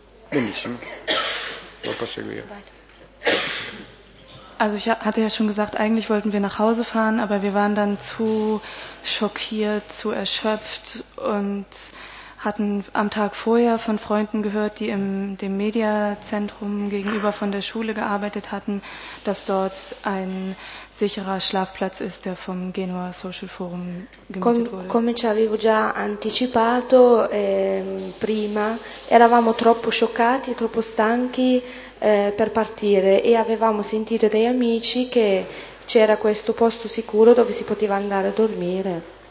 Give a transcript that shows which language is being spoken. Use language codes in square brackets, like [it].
[it] Benissimo. Lo proseguire. [de] Also ich hatte ja schon gesagt, eigentlich wollten wir nach Hause fahren, aber wir waren dann zu schockiert, zu erschöpft und hatten am Tag vorher von Freunden gehört, die im dem Mediazentrum gegenüber von der Schule gearbeitet hatten, dass dort ein sicherer Schlafplatz ist, der vom Genua Social Forum gemietet wurde. [it] Come ci avevo già anticipato prima, eravamo troppo scioccati, troppo stanchi per partire e avevamo sentito dai amici che c'era questo posto sicuro dove si poteva andare a dormire.